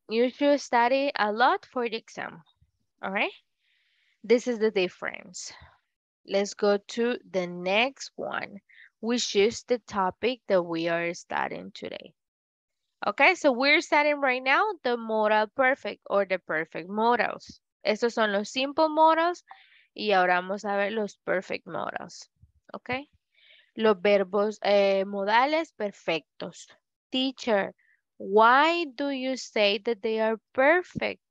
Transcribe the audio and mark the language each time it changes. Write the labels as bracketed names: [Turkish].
[English] You should study a lot for the exam. All right? This is the difference. Let's go to the next one, which is the topic that we are studying today. Okay, so we're studying right now the modal perfect or the perfect modals. [Spanish] Estos son los simple modals y ahora vamos a ver los perfect modals. Okay, los verbos modales perfectos. [English] Teacher, why do you say that they are perfect?